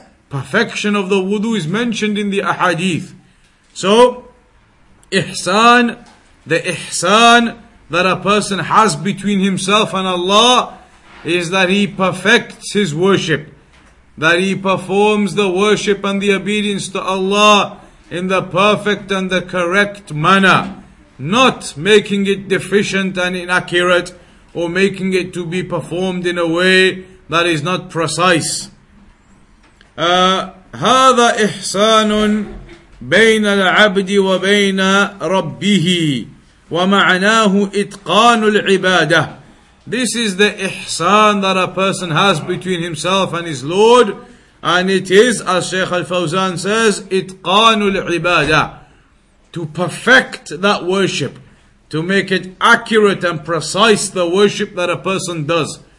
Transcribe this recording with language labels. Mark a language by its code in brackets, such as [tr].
[en] Perfection of the wudu is mentioned in the ahadith. So, ihsan, the ihsan that a person has between himself and Allah, is that he perfects his worship, that he performs the worship and the obedience to Allah in the perfect and the correct manner, not making it deficient and inaccurate, or making it to be performed in a way that is not precise. [ar] هذا إحسان بين العبد وبين ربه ومعناه إتقان العبادة. [en] This is the ihsan that a person has between himself and his Lord. And it is, as Shaykh Al-Fawzan says, itqanu al-ibadah, to perfect that worship, to make it accurate and precise, the worship that a person does.